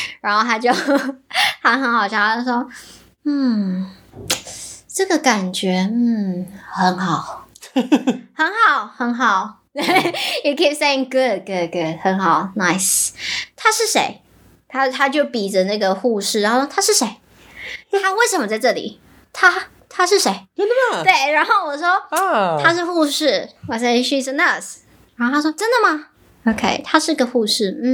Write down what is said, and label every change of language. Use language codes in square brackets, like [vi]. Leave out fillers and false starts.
[zh] 然后他就他很好笑，他就说，这个感觉，很好，很好，很好。 [en] You keep saying good, good, good, [zh] 很好 [en] nice. [zh] 他是谁？他就比着那个护士，然后说他是谁？他为什么在这里？他是谁？真的吗？对，然后我说他是护士。 [en] I say she's a nurse. [zh] 然后他说真的吗 ？OK， 他是个护士。